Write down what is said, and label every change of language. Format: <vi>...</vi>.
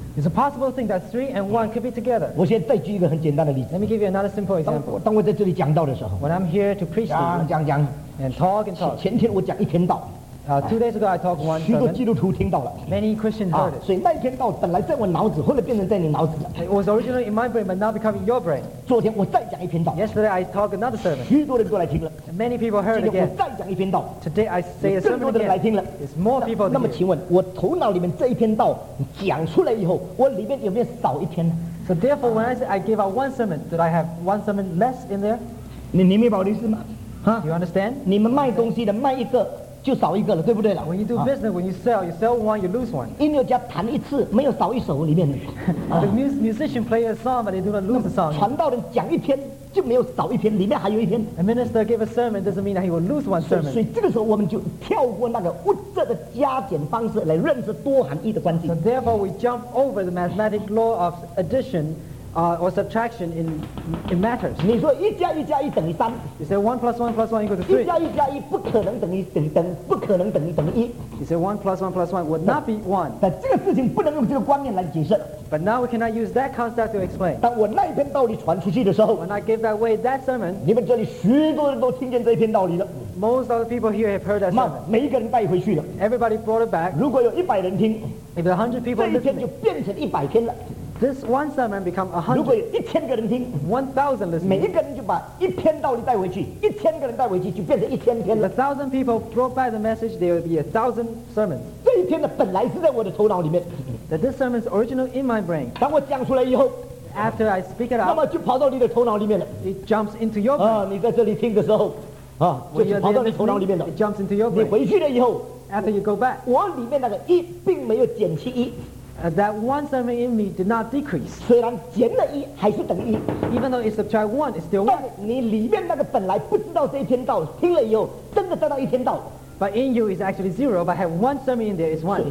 <en>It's a possible thing that three and one could be together.</en> <zh>我现在再举一个很简单的例子。</zh> <en>Let me give you another simple example.</en> <zh>当我在这里讲道的时候。</zh> <en>When I'm here to preach to you.</en> <zh>讲。</zh> <en>And talk and talk.</en> <zh>前天我讲一天道。</zh> <en>Two days ago I talked one sermon.</en> <zh>许多基督徒听到了。</zh> <en>Many Christians heard it.</en> <zh>所以那一天道本来在我脑子，后来变成在你脑子了。</zh> <en>It was originally in my brain, but now becoming your brain.</en> <zh>昨天我再讲一篇道。</zh> <en>Yesterday I talked another sermon.</en> <zh>许多人过来听了。</zh> <en>Many people heard again.</en> <zh>今天我再讲一篇道。</zh> <en>Today I say a sermon again.</en> <zh>更多的人来听了。</zh> <en>It's more people.</en> <zh>那么请问，我头脑里面这一篇道讲出来以后，我里面有没有少一篇呢</zh> <en>？So therefore, when I say I gave out one sermon, did I have one sermon less in there?</en> <zh>你明白我的意思吗？</zh> <en>You understand?</en> <zh>你们卖东西的卖一个。就少一个了，对不对了</zh> <en>？When you do business, when you sell one, you lose one.</en> <zh>音乐家弹一次，没有少一首里面的。</zh> <en>The musician play a song, but they do not lose the song.</en> <zh>传道人讲一篇就没有少一篇，里面还有一篇。</zh> <en>A minister give a sermon doesn't mean that he will lose one sermon.</en> <zh>所以这个时候我们就跳过那个物质的加减方式来认识多含义的关系。</zh> <en>So therefore, we jump over the mathematic law of addition. Or subtraction in matters.</en> <zh>你说一加一加一等于三。</zh> <en>You say one plus one plus one equals three.</en> <zh>一加一加一不可能等于一。</zh> <en>You say one plus one plus one would not be one.</en> <zh>但这个事情不能用这个观念来解释。</zh> <en>But now we cannot use that concept to explain.</en> <zh>当我那一篇道理传出去的时候</zh> <en>，When I gave that way that sermon,</en> <zh>你们这里许多人都听见这一篇道理了。</zh> <en>Most of the people here have heard that sermon.</en> <zh>每一个人带回去了。</zh> <en>Everybody brought it back.</en> <zh>如果有一百人听</zh> <en>，If 100 people listen,</en> <zh>这一篇就变成一百篇了。</zh> <en>This one sermon become 100.</en> <zh>如果有一千个人听</zh> <en>，1,000 listen.</en> <zh>每一个人就把一篇道理带回去，一千个人带回去就变成一千篇了。</zh> <en>If 1,000 people brought by the message, there will be 1,000 sermons.</en> <zh>这一篇的本来是在我的头脑里面。</zh> <en>That this sermon is original in my brain.</en> <zh>当我讲出来以后</zh> <en>，After I speak it out,</en> <zh>那么就跑到你的头脑里面了。</zh> <en>It jumps into your brain.</en> <zh>你在这里听的时候就跑到你头脑里面的。</zh> <en>It jumps into your brain.</en> <zh>你回去了以后,</zh> <en>after you go back,</en> <zh>我里面那个一并没有减去一。</zh> <en>That one something in me did not decrease.</en> <zh>虽然减了一还是等于一。</zh> <en>Even though it's subtract one, it's still one.</en> <zh>但你里面那个本来不知道这一篇道，听了以后真的得到一篇道。</zh> <en>But in you is actually zero, but have one sermon in there is one.</en>